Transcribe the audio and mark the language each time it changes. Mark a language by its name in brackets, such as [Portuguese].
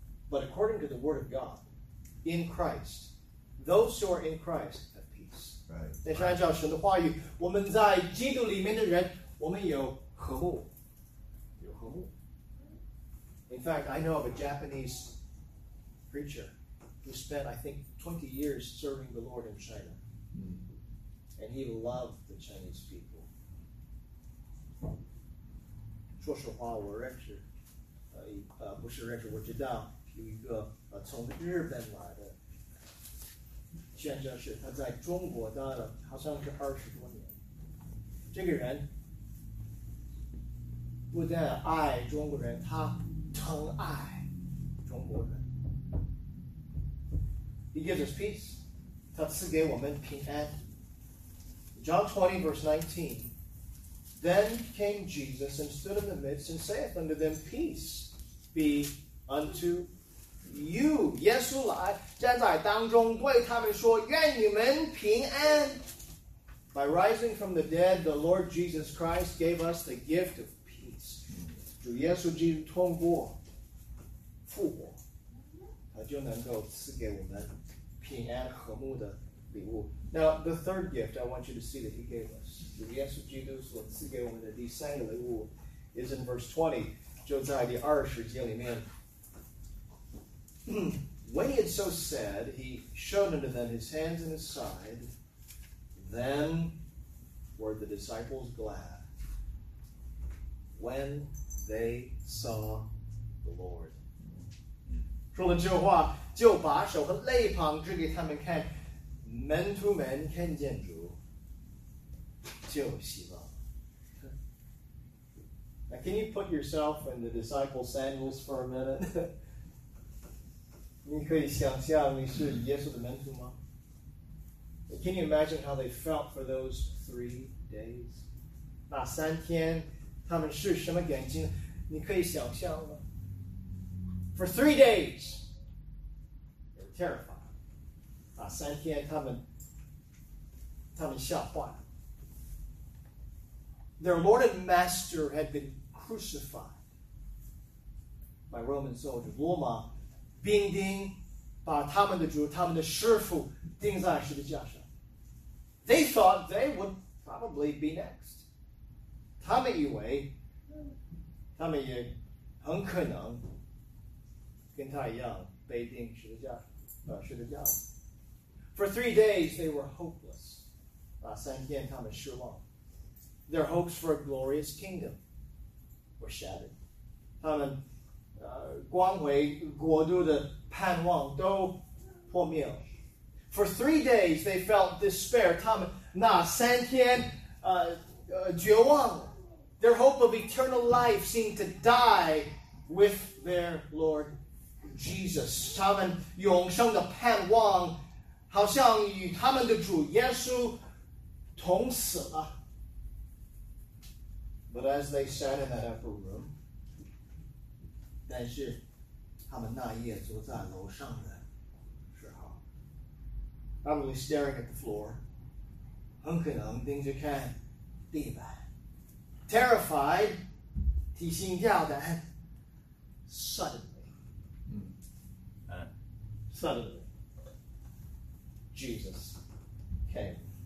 [English] But according to the word of God, in Christ, those who are in Christ, Right. [Chinese] 但是按照神的话语，我们在基督里面的人，我们有和睦，有和睦。 [English] In fact, I know of a Japanese preacher who spent, I think, 20 years serving the Lord in China. And he loved the Chinese people. [Chinese] 说实话，我认识，不是认识，我知道有一个从日本来的。现在是他在中国待了好像是二十多年。这个人不但爱中国人，他疼爱中国人。 [English] He gives us peace. [Chinese] 他赐给我们平安。 [English] John 20 verse 19. Then came Jesus and stood in the midst and saith unto them, Peace be unto you. [Chinese] You, 耶稣来站在当中对他们说愿你们平安。 [English] By rising from the dead, the Lord Jesus Christ gave us the gift of peace. [Chinese] 主耶稣基督通过复活，他就能够赐给我们平安和睦的礼物。 [English] Now, the third gift I want you to see that he gave us, [Chinese] 主耶稣基督所赐给我们的第三个礼物 [English] is in verse 20, [Chinese] 就在第二十节里面。 [English] When he had so said, he showed unto them his hands and his side. Then were the disciples glad when they saw the Lord. [Chinese] 说了这话，就把手和肋旁指给他们看。门徒们看见主，就喜乐。 [English] Now, can you put yourself in the disciples' sandals for a minute? [Chinese] 你可以想象你是耶稣的门徒吗？ [English] Can you imagine how they felt for those 3 days? [Chinese] 那三天他们是什么眼睛，你可以想象吗？ [English] For 3 days, they're terrified. [Chinese] 啊，三天他们吓坏了。 [English] Their Lord and Master had been crucified by Roman soldiers. [Chinese] 罗马兵丁把他们的主，他们的师父钉在十字架上。 [English] They thought they would probably be next. [Chinese] 他们以为他们也很可能跟他一样被钉十字架，十字架。 [English] For 3 days, they were hopeless. [Chinese] 把三天他们失望。 [English] Their hopes for a glorious kingdom were shattered. [Chinese] 他们光辉国度的盼望都破灭了。 [English] For 3 days, they felt despair. [Chinese] 他们那三天绝望了。 [English] Their hope of eternal life seemed to die with their Lord Jesus. [Chinese] 他们永生的盼望好像与他们的主耶稣同死了。 [English] But as they sat in that upper room, [Chinese] 但是他们那夜坐在楼上的时候 [English] probably staring at the floor, [Chinese] 很可能盯着看地板 [English] terrified, [Chinese] 提心吊胆 [English] suddenly, Jesus came.